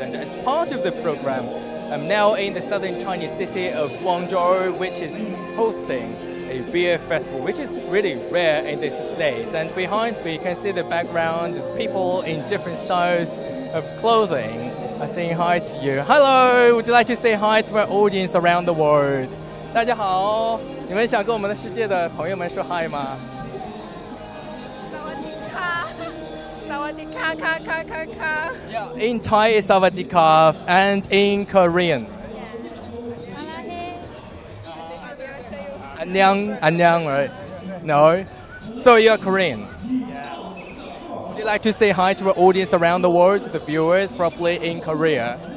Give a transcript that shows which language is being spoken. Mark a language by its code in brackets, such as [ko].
[en] And as part of the program, I'm now in the southern Chinese city of Guangzhou, which is hosting a beer festival, which is really rare in this place. And behind me, you can see the background, there's people in different styles of clothing. I'm saying hi to you. Hello, would you like to say hi to our audience around the world? [zh] 大家好，你们想跟我们的世界的朋友们说 hi 吗？ [th] 萨瓦迪卡，萨瓦迪卡卡卡卡卡。 [en] Yeah, in Thai is 萨瓦迪卡 and in Korean. [th] 萨瓦迪。 [ko] 안녕안녕 [en] right? No, so you're Korean. Would you like to say hi to our audience around the world, to the viewers, probably in Korea?